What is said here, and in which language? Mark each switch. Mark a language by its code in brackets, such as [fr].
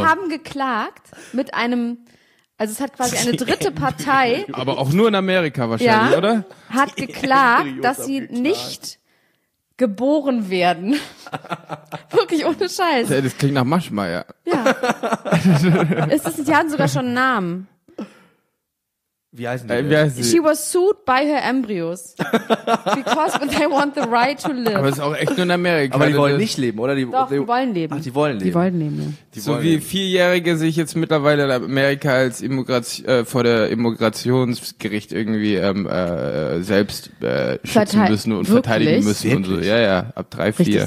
[de] Die haben geklagt mit einem, also es hat quasi eine dritte Partei. Aber auch nur in Amerika wahrscheinlich, ja, oder? Hat geklagt, dass sie geklagt. Nicht geboren werden. Wirklich ohne Scheiß. Das klingt nach Maschmeier. Ja. Es ist, die haben sogar schon einen Namen. Wie heißen die? Wie heißen [en] sie? She was sued by her embryos. Because they want the right to live. [de] Aber das ist auch echt nur in Amerika. Aber die wollen nicht leben, oder? Die wollen leben. Ach, die wollen leben. Die wollen leben. So wie Vierjährige sich jetzt mittlerweile in Amerika als vor der Immigrationsgericht irgendwie selbst schützen müssen und verteidigen müssen. Wirklich? Und so. Ja, ja, ab 3, 4.